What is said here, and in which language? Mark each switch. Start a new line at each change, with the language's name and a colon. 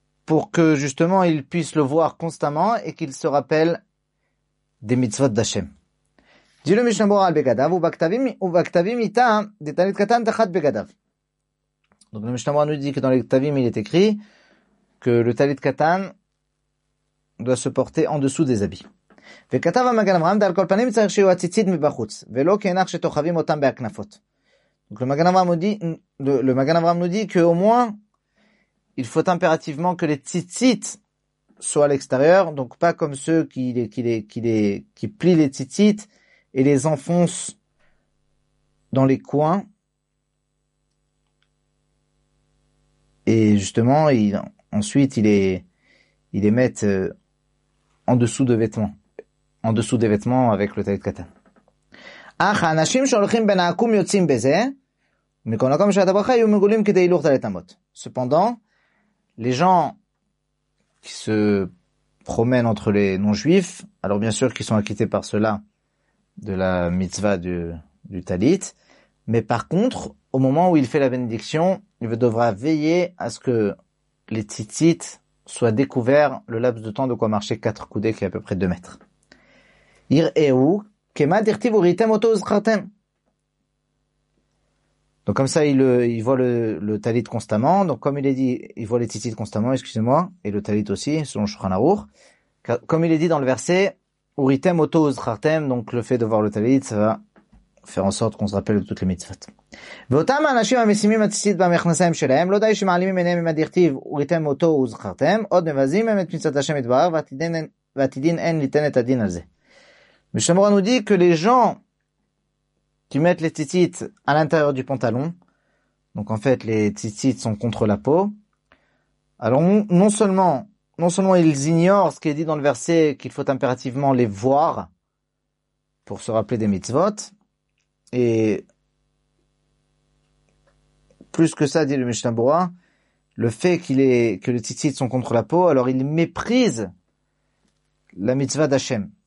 French: pour que justement il puisse le voir constamment et qu'il se rappelle des mitzvot d'Hachem. Dit le Mishnah Berurah al-Begadav, ou baktavim ita, de talit katan tachat begadav. Donc le Mishnah Berurah nous dit que dans les Ktavim il est écrit que le talit katan doit se porter en dessous des habits.
Hebrew: וכתב המגן אברהם דה על כל פנים צריך שיהיו הציצית מבחוץ, ולא כאנך שתוכבים אותם בהכנפות.
French: Donc le Magan Avram nous dit qu'au moins, il faut impérativement que les tzitzit soient à l'extérieur, donc pas comme ceux qui plient les tzitzit et les enfoncent dans les coins. Et justement, ensuite, ils les mettent en dessous des vêtements avec le talit katan.
Hebrew: אך האנשים שהולכים בין העקום יוצאים בזה, מכל מקום שעת הברכה יהיו מגולים כדי הילוך דלת אמות.
French: Cependant, les gens qui se promènent entre les non-juifs, alors bien sûr qu'ils sont acquittés par cela de la mitzvah du talit, mais par contre, au moment où il fait la bénédiction, il devra veiller à ce que les tzitzit soient découverts le laps de temps de quoi marcher 4 coudées qui est à peu près 2 mètres.
Hebrew: יראו כמה דכתיב וריתם אותו וזכרתם.
French: Donc comme ça il voit le talit constamment, donc comme il est dit, il voit les tzitzit constamment, excusez-moi, et le talit aussi selon Shulchan Aruch, comme il est dit dans le verset
Hebrew: וריתם אותו וזכרתם,
French: donc le fait de voir le talit ça va faire en sorte qu'on se rappelle de toutes les mitzvot.
Hebrew: ואותם האנשים המשימים הציצית במכנסיים שלהם לא די שמעלימים עיניהם עם הדכתיב וריתם אותו וזכרתם, עוד מבזים הם את מצוות השם יתברך ועתידין אין ליתן את הדין על זה.
French: Mais Shamora nous dit que les gens qui mettent les tzitzites à l'intérieur du pantalon, donc en fait les tzitzites sont contre la peau, alors non seulement ils ignorent ce qui est dit dans le verset qu'il faut impérativement les voir pour se rappeler des mitzvot, et plus que ça, dit le Mishnah Berurah, le fait que les tzitzites sont contre la peau, alors ils méprisent la mitzvah d'Hachem.